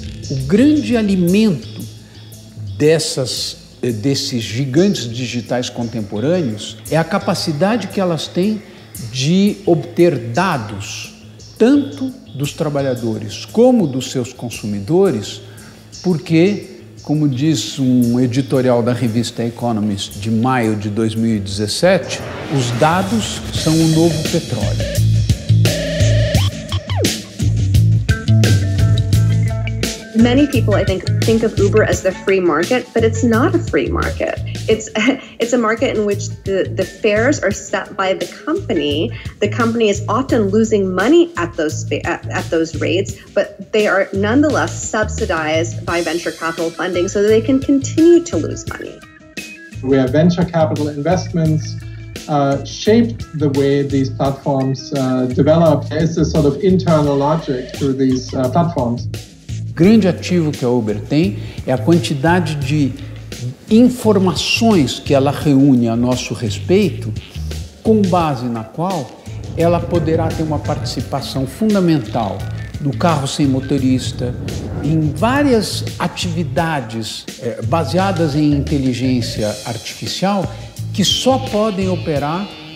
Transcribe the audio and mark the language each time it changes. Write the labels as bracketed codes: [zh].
[pt] O grande alimento desses gigantes digitais contemporâneos é a capacidade que elas têm de obter dados, tanto dos trabalhadores como dos seus consumidores, porque, como diz um editorial da revista Economist de maio de 2017, os dados são o novo petróleo. [en] Many people, I think of Uber as the free market, but it's not a free market. It's a market in which the fares are set by the company. The company is often losing money at those rates, but they are nonetheless subsidized by venture capital funding so that they can continue to lose money. We have venture capital investments shaped the way these platforms develop. It's a sort of internal logic through these platforms. [pt] O grande ativo que a Uber tem é a quantidade de informações que ela reúne a nosso respeito, com base na qual ela poderá ter uma participação fundamental no carro sem motorista, em várias atividades baseadas em inteligência artificial que só podem operar